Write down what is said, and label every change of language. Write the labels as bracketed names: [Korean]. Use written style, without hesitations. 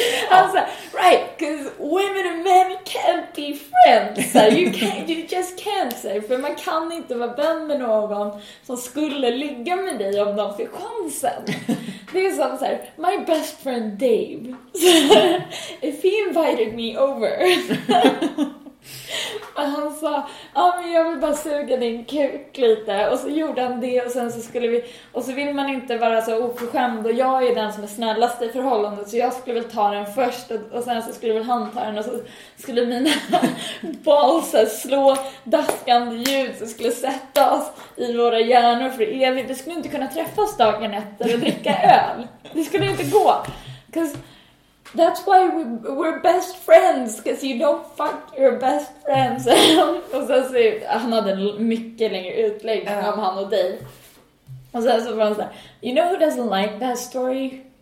[Swedish] Han sa, [English] right, because women and men can't be friends. You just can't, say. [Swedish] För man kan inte vara vän med någon som skulle ligga med dig om de fick chansen. Det är som så här, [English] my best friend Dave. If he invited me over... [Swedish] Och han sa, men jag vill bara suga din kuk lite. Och så gjorde han det. Och sen så skulle vi, och så vill man inte vara så oförskämd. Och jag är den som är snällast i förhållandet. Så jag skulle väl ta den först. Och sen så skulle väl han ta den. Och så skulle mina balls slå daskande ljud. Så skulle sätta oss i våra hjärnor för evigt. Vi skulle inte kunna träffas dagen efter och dricka öl. Det skulle inte gå. [English] That's why we're best friends, because you don't fuck your best friends. [Swedish] Och sen så, han hade en mycket längre utläggning om han och dig. Och sen så var han såhär, [English] you know who doesn't like that story?